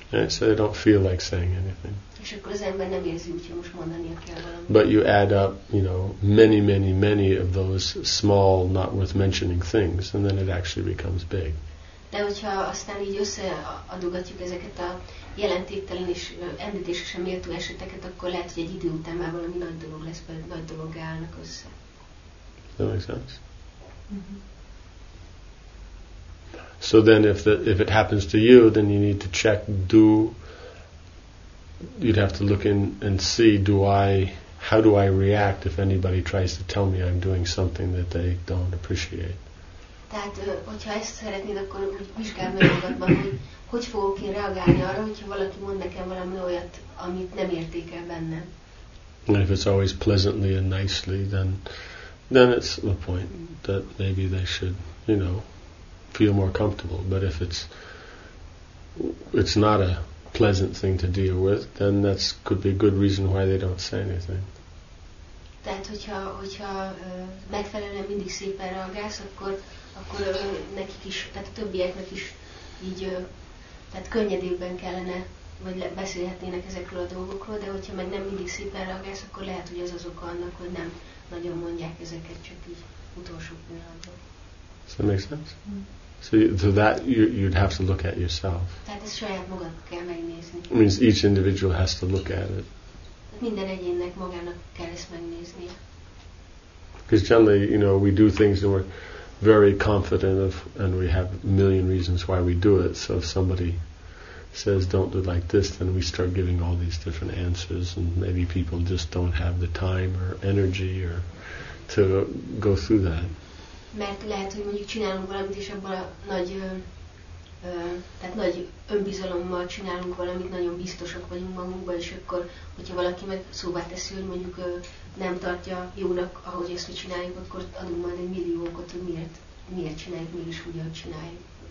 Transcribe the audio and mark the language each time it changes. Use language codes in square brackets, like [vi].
[en] Yeah, so they don't feel like saying anything. [hu] És akkor az ember nem érzi úgy, hogy most mondania kell valamit. [en] But you add up, you know, many, many, many of those small, not worth mentioning things, and then it actually becomes big. [hu] De hogyha aztán így összeadogatjuk ezeket a jelentéktelen és említésre sem méltó eseteket, akkor lehet, hogy egy idő után már valami nagy dolog lesz, vagy nagy dolog állnak össze. [en] That makes sense? Mm-hmm. So then if it happens to you, then you need to check, you'd have to look in and see, how do I react if anybody tries to tell me I'm doing something that they don't appreciate? [hu] Tehát, hogyha ezt szeretnéd, akkor vizsgálj meg magadban, hogy fogok én reagálni arra, hogyha valaki mond nekem valami olyat, amit nem értékel bennem. [en] And if it's always pleasantly and nicely, then it's the point that maybe they should, you know, feel more comfortable. But if it's not a pleasant thing to deal with, then that could be a good reason why they don't say anything. [hu] Tehát hogyha megfelelően mindig szépen reagálsz, akkor nekik is, tehát a többieknek is így, tehát könnyedében kellene, vagy beszélhetnének ezekről a dolgokról, de hogyha meg nem mindig szépen reagálsz, akkor lehet, hogy az oka annak, hogy nem nagyon mondják ezeket, csak így utolsó pillanatban. [en] Does that make sense? So that you'd have to look at yourself. [hu] Tehát ezt saját magad kell megnézni. [en] It means each individual has to look at it. [hu] Minden egyénnek magának kell ezt megnézni. [en] Because generally, you know, we do things and we're very confident of, and we have a million reasons why we do it. So if somebody says, don't do it like this, then we start giving all these different answers, and maybe people just don't have the time or energy or to go through that. [hu] Mert lehet, hogy mondjuk csinálunk valamit, és abban a nagy, tehát nagy önbizalommal csinálunk valamit, nagyon biztosak vagyunk magunkban, és akkor, hogyha valaki meg szóvá teszi, hogy mondjuk nem tartja jónak, ahogy ezt hogy csináljuk, akkor adunk majd egy millió okot, hogy miért csináljuk, mégis úgy, ahogy csináljuk.